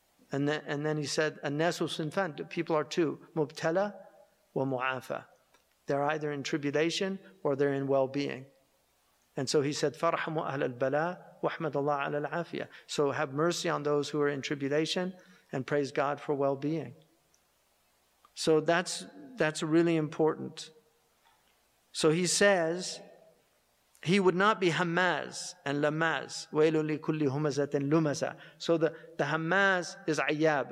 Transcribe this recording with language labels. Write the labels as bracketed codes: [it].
[en] And then he said, [ar] النَّاسُ صِنْفَانٌ, [en] people are two, [ar] مُبْتَلَى وَمُعَافَى. [en] They're either in tribulation or they're in well-being. And so he said, [ar] فَرْحَمُوا أَهْلَ الْبَلَىٰ وَحْمَدَ اللَّهِ عَلَى الْعَافِيَةِ. [en] So have mercy on those who are in tribulation and praise God for well-being. So that's really important. So he says, he would not be hamaz and lamaz. [ar] وَيْلُ لِكُلِّ هُمَزَةٍ لُمَزَةٍ. [en] So the hamaz is ayyab.